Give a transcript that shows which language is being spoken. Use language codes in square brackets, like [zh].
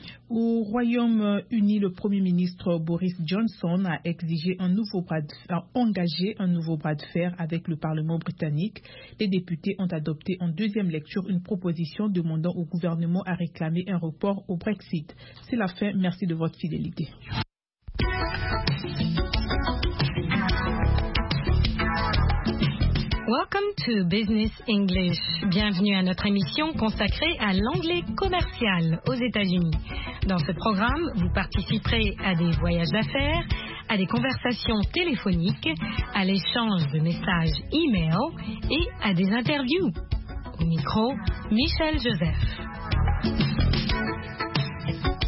[fr] Au Royaume-Uni, le Premier ministre Boris Johnson a engagé un nouveau bras de fer avec le Parlement britannique. Les députés ont adopté en deuxième lecture une proposition demandant au gouvernement à réclamer un report au Brexit. C'est la fin. Merci de votre fidélité. [en] Welcome to Business English. [fr] Bienvenue à notre émission consacrée à l'anglais commercial aux États-Unis. Dans ce programme, vous participerez à des voyages d'affaires, à des conversations téléphoniques, à l'échange de messages e-mail et à des interviews. Au micro, Michel Joseph.